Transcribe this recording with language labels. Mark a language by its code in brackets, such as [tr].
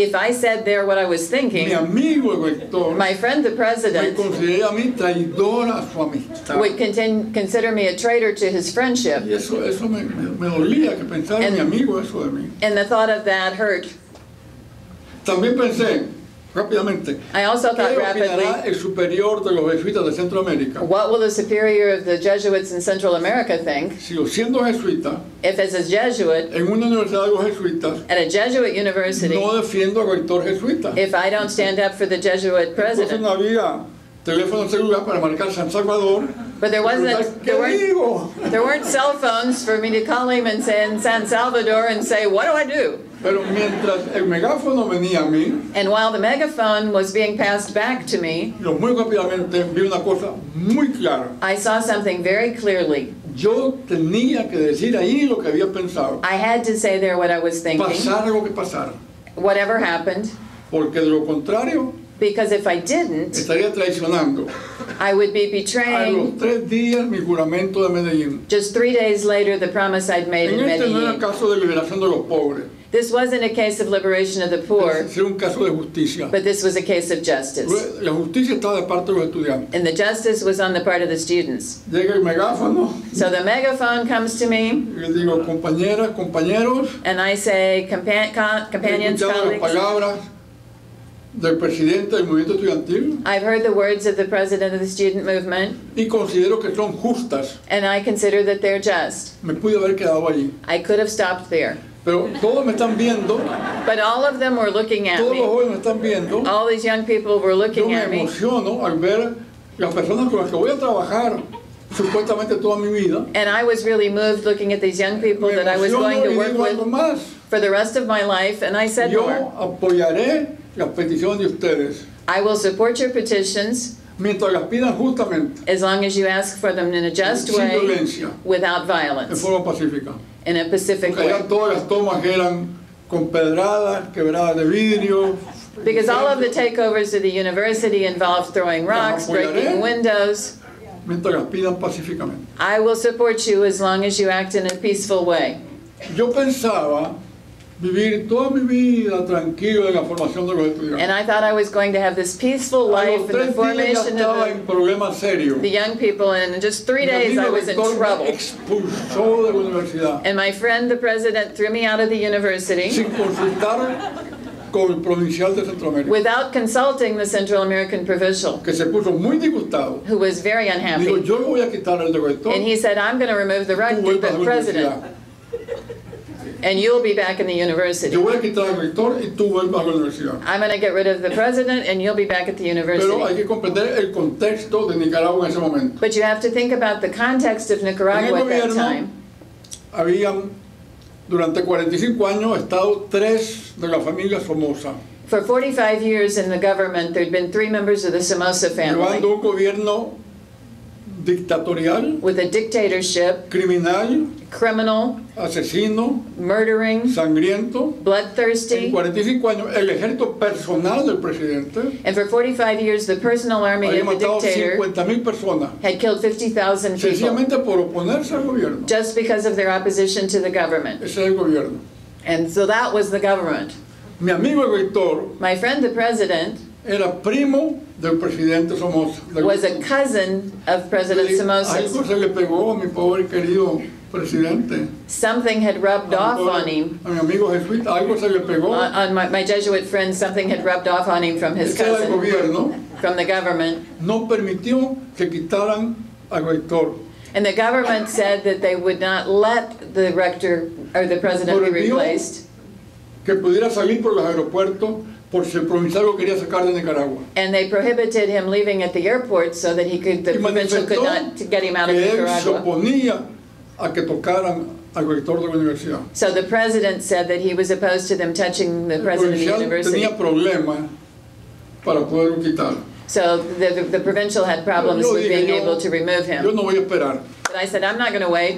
[en] If I said there what I was thinking. [es] Mi amigo el rector. [en] My friend the president. [es] Me consideraría a mí traidor a su amistad. [en] Would consider me a traitor to his friendship. [es] Y eso me dolía que pensara mi amigo eso de mí. [en] And the thought of that hurt. [es] También pensé. Rápidamente. [en] I also thought rapidly. [es] ¿Qué opinará el superior de los jesuitas de Centroamérica? [en] What will the superior of the Jesuits in Central America think? [es] Si yo siendo jesuita. [en] If as a Jesuit. [es] En una universidad de los jesuitas. [en] At a Jesuit university. [es] No defiendo al rector jesuita. [en] If I don't stand up for the Jesuit president. [es] Entonces no había teléfono celular para marcar San Salvador. [en] But there wasn't. There weren't cell phones for me to call him and say in San Salvador and say what do? [es] Pero mientras el megáfono venía a mí, [en] and while the megaphone was being passed back to me, [es] yo muy rápidamente vi una cosa muy clara. [en] I saw something very clearly. [es] Yo tenía que decir ahí lo que había pensado. [en] I had to say there what I was thinking. [es] Pasara lo que pasara. [en] Whatever happened. [es] Porque de lo contrario. [en] Because if I didn't, [es] estaría traicionando. [en] I would be betraying. [es] A los 3 días mi juramento de Medellín. [en] Just 3 days later, the promise I'd made [es] en [en] in Medellín. [es] No era caso de liberación de los pobres. [en] This wasn't a case of liberation of the poor, [es] un caso de justicia. [en] But this was a case of justice. [es] La justicia estaba de parte de los estudiantes. [en] And the justice was on the part of the students. [es] Llega el megáfono. [en] So the megaphone comes to me, [es] y digo, compañeras, compañeros, [en] and I say, companions, colleagues, [es] palabras, del presidente del movimiento estudiantil. [en] I've heard the words of the president of the student movement. [es] Y considero que son justas. [en] And I consider that they're just. [es] Me pude haber quedado allí. [en] I could have stopped there. [es] Pero todos me están viendo. [en] But all of them were looking at [es] todos [en] me. [es] Los jóvenes me están viendo. [en] All these young people were looking at me. [es] Yo me emociono al ver las personas con las que voy a trabajar. Supuestamente toda mi vida. [en] And I was really moved looking at these young people that I was going to work with for the rest of my life, and I said, [es] yo apoyaré las peticiones de ustedes. [en] I will support your petitions [es] mientras las pidan justamente, [en] as long as you ask for them in a just way, [es] violencia, [en] without violence, [es] en forma pacífica. [en] In a pacific [es] porque [en] way. [es] Porque todas las tomas eran con pedradas, quebradas de vidrio. [en] Because all of the takeovers of the university involved throwing rocks, breaking windows. [es] Mientras las pidan pacíficamente. [en] I will support you as long as you act in a peaceful way. [es] Yo pensaba vivir toda mi vida tranquilo en la formación de los estudiantes. [en] And I thought I was going to have this peaceful life in the formation of [es] en problema serio. [en] The young people, and in just 3 days I was in trouble. [es] Me expulsó de la universidad. [en] And my friend, the president, threw me out of the university. [es] Sin consultar con el provincial de Centroamérica. [en] Without consulting the Central American provincial, [es] que se puso muy disgustado, [en] who was very unhappy. [es] Dijo, yo lo voy a quitar al director. [en] And he said, I'm going to remove the rector, the president. And you'll be back in the university. [es] Yo voy a quitar al rector y tú vuelvas a la universidad. [en] I'm going to get rid of the president and you'll be back at the university. [es] Pero hay que comprender el contexto de Nicaragua en ese momento. [en] But you have to think about the context of Nicaragua at that time. [es] Habían durante 45 años estado tres de la familia Somoza. [en] For 45 years in the government, there had been three members of the Somoza family. [es] Llevando un gobierno dictatorial. [en] With a dictatorship. [es] Criminal. [en] Criminal. [es] Asesino. [en] Murdering. [es] Sangriento. [en] Bloodthirsty. [es] En 45 años, el ejército personal del presidente. [en] And for 45 years, the personal army of the dictator. [es] Había matado 50,000 personas. [en] Had killed 50,000 people. [es] Sencillamente por oponerse al gobierno. [en] Just because of their opposition to the government. [es] Ese es el gobierno. [en] And so that was the government. [es] Mi amigo el rector. [en] My friend the president. [es] Era primo del presidente Somoza. [en] Was a cousin of President Somoza. [es] Algo se le pegó a mi pobre querido presidente. [en] Something had rubbed off on him. [es] A mi amigo jesuit, algo se le pegó. [en] On my Jesuit friend, something had rubbed off on him from his cousin. [es] Este gobierno, [en] from the government. [es] No permitió que quitaran al rector. [en] And the government said that they would not let the rector or the president be replaced. [es] Que pudiera salir por los aeropuertos. Por si el provincial lo quería sacar de Nicaragua. [en] And they prohibited him leaving at the airport so that he could, the provincial could not get him out [es] que [en] of Nicaragua. [es] Él se oponía a que tocaran al rector de la universidad. [en] So the president said that he was opposed to them touching the [es] el [en] president of the university. [es] Tenía problemas para poderlo quitar. [en] So the provincial had problems with being able to remove him. [es] Yo no voy a esperar. [en] But I said, I'm not going to wait.